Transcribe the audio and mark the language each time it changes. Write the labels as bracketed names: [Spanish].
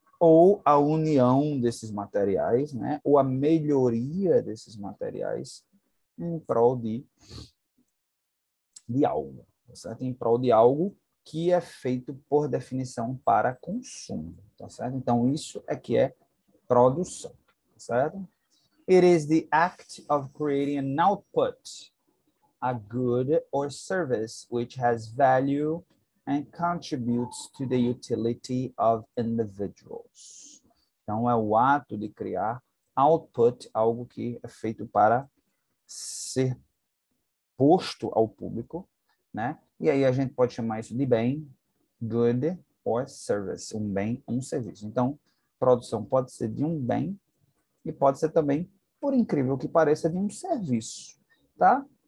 [Portuguese] Ou a união desses materiais, né? Ou a melhoria desses materiais em prol de algo, tá certo? Em prol de algo que é feito, por definição, para consumo, tá certo? Então, isso é que é produção, tá certo? [English] It is the act of creating an output, a good or service which has value and contributes to the utility of individuals. [Portuguese] Então, é o ato de criar output, algo que é feito para ser posto ao público, né? E aí a gente pode chamar isso de bem, [English] good or service, [Portuguese] um bem, um serviço. Então, produção pode ser de um bem e pode ser também, por incrível que pareça, de um serviço, tá?